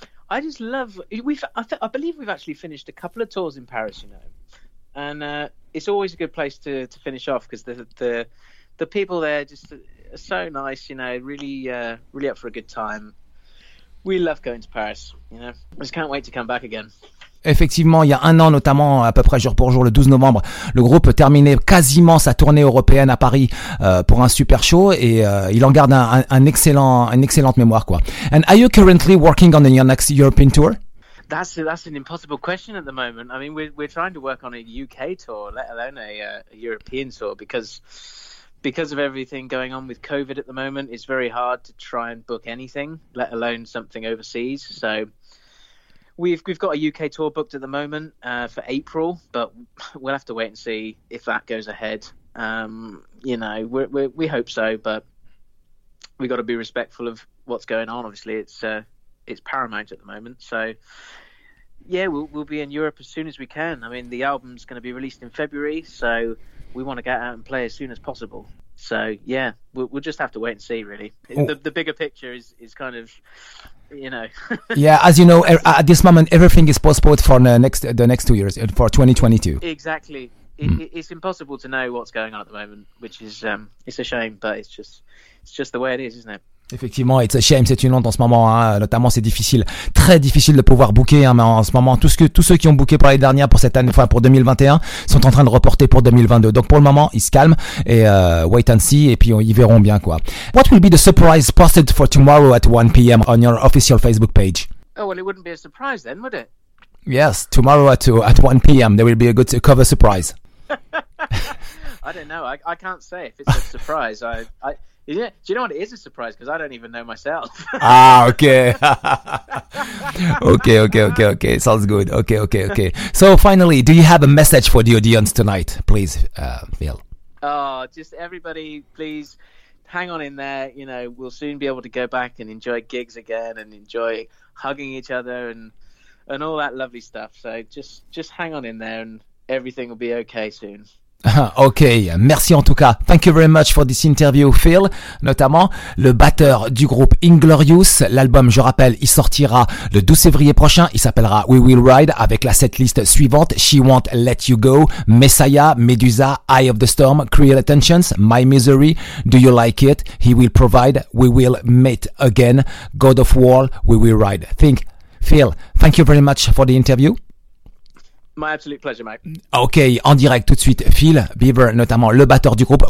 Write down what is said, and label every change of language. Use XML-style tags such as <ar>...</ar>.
<en>I just love, I believe we've actually finished a couple of tours in Paris, you know, and it's always a good place to finish off, because the people there just are so nice, you know, really really up for a good time. We love going to Paris, you know, I just can't wait to come back again.</en> <fr>Effectivement, il y a un an notamment, à peu près jour pour jour, le 12 novembre, le groupe terminait quasiment sa tournée européenne à Paris pour un super show, et il en garde une excellente mémoire, quoi.</fr> <en>And are you currently working on your next European tour? That's an impossible question at the moment. I mean, we're trying to work on a UK tour, let alone a European tour, because of everything going on with COVID at the moment, it's very hard to try and book anything, let alone something overseas. So We've got a UK tour booked at the moment for April, but we'll have to wait and see if that goes ahead. You know, we hope so, but we got to be respectful of what's going on. Obviously, it's paramount at the moment. So yeah, we'll be in Europe as soon as we can. I mean, the album's going to be released in February, so we want to get out and play as soon as possible. So yeah, we'll just have to wait and see. Really, the bigger picture is kind of, you know. Yeah, as you know, at this moment everything is postponed for the next 2 years, for 2022. Exactly. It's impossible to know what's going on at the moment, which is it's a shame, but it's just the way it is, isn't it?</en> <fr>Effectivement,</fr> <en>it's a shame,</en> <fr>c'est une honte en ce moment, hein. Notamment c'est difficile, très difficile de pouvoir booker, hein, mais en ce moment tous ceux qui ont booké pour l'année dernière, pour cette année, enfin pour 2021, sont en train de reporter pour 2022. Donc pour le moment, ils se calment et</fr> <en>wait and see,</en> <fr>et puis ils verront bien, quoi.</fr> <en>What will be the surprise posted for tomorrow at 1 PM on your official Facebook page? Oh, well, it wouldn't be a surprise then, would it? Yes, tomorrow at 1 PM there will be a good cover surprise. I don't know. I can't say if it's a surprise. Do you know what, it is a surprise, because I don't even know myself. Ah, okay. Okay. Sounds good. Okay. So finally, do you have a message for the audience tonight, please, Phil? Oh, just everybody, please hang on in there. You know, we'll soon be able to go back and enjoy gigs again and enjoy hugging each other and all that lovely stuff. So just hang on in there and everything will be okay soon.</en> <fr>Okay, merci en tout cas.</fr> <en>Thank you very much for this interview, Phil.</en> <fr>Notamment, le batteur du groupe Inglorious. L'album, je rappelle, il sortira le 12 février prochain. Il s'appellera We Will Ride, avec la setlist suivante: She Won't Let You Go, Messiah, Medusa, Eye of the Storm, Cruel Attentions, My Misery, Do You Like It, He Will Provide, We Will Meet Again, God of War, We Will Ride.</fr> <en>Phil, thank you very much for the interview. My absolute pleasure, mate.</en> <fr>Okay, en direct tout de suite, Phil Beaver, notamment le batteur du groupe.</fr>